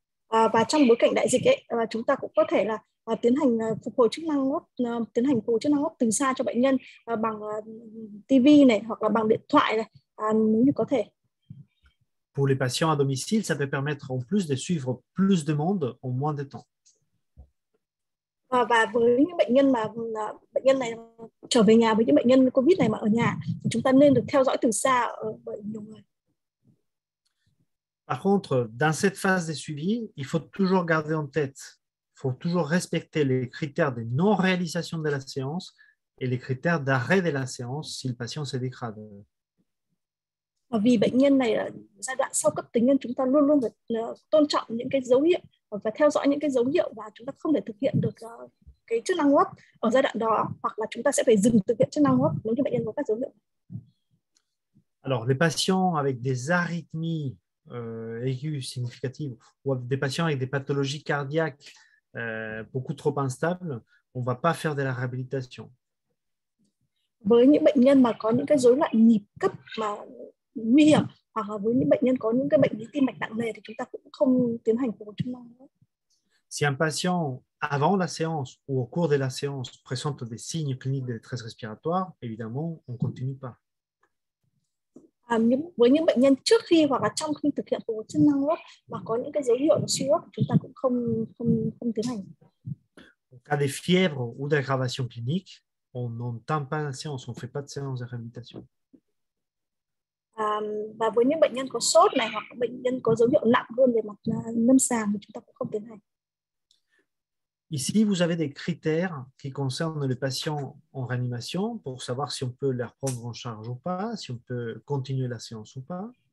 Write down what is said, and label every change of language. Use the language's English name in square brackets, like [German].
[Vietnamese] Và trong bối cảnh đại dịch ấy, chúng ta cũng có thể là tiến hành phục hồi chức năng hô hấp từ xa cho bệnh nhân bằng TV này hoặc là bằng điện thoại này, nếu như có thể. [French] Pour les patients à domicile, ça peut permettre en plus de suivre plus de monde en moins de temps. [Vietnamese] Và với những bệnh nhân này trở về nhà, với những bệnh nhân COVID này mà ở nhà, thì chúng ta nên được theo dõi từ xa bởi nhiều người. [French] Par contre, dans cette phase de suivi, il faut toujours garder en tête, il faut toujours respecter les critères de non-réalisation de la séance et les critères d'arrêt de la séance si le patient se dégrade. [Vietnamese] Vì bệnh nhân này là giai đoạn sau cấp tính, nên chúng ta luôn luôn phải tôn trọng những cái dấu hiệu và theo dõi những cái dấu hiệu, và chúng ta không thể thực hiện được cái chức năng hô hấp ở giai đoạn đó, hoặc là chúng ta sẽ phải dừng thực hiện chức năng hô hấp nếu như bệnh nhân có các dấu hiệu. [French] Alors, les patients avec des arythmies aiguës significatives ou des patients avec des pathologies cardiaques beaucoup trop instables, on ne va pas faire de la réhabilitation. [Vietnamese] Với những bệnh nhân mà có những cái rối loạn nhịp cấp mà nguy hiểm, hoặc là với những bệnh nhân có những cái bệnh lý tim mạch nặng nề, thì chúng ta cũng không tiến hành phục hồi chức năng nữa. [French] Si un patient avant la séance ou au cours de la séance présente des signes cliniques de détresse respiratoire, évidemment, on ne continue pas. [Vietnamese] Với những bệnh nhân trước khi hoặc là trong khi thực hiện phục hồi chức năng nữa, mà có những cái dấu hiệu suy hô hấp, chúng ta cũng không tiến hành. [French] En cas de fièvre ou d'aggravation clinique, on n'entame pas la séance, on ne fait pas de séance de réhabilitation. [Vietnamese] Và với những bệnh nhân có sốt này hoặc bệnh nhân có dấu hiệu nặng hơn về mặt lâm sàng, thì chúng ta cũng không tiến hành. [French] Ici, vous avez des critères qui concernent les patients en réanimation pour savoir si on peut les prendre en charge ou pas, si on peut continuer la séance ou pas.